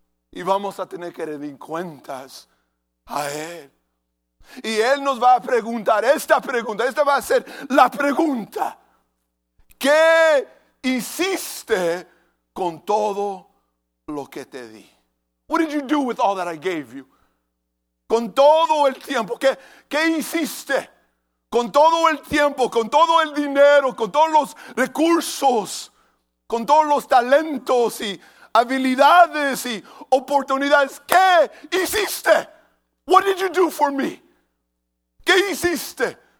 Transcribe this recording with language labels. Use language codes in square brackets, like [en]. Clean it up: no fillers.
[es] Y vamos a tener que rendir cuentas a Él. Y Él nos va a preguntar esta pregunta, esta va a ser la pregunta: ¿qué hiciste con todo lo que te di? [en] What did you do with all that I gave you? [es] Con todo el tiempo, ¿qué hiciste? Con todo el tiempo, con todo el dinero, con todos los recursos, con todos los talentos y habilidades y oportunidades, ¿qué hiciste? [en] What did you do for me? [es] ¿Qué hiciste?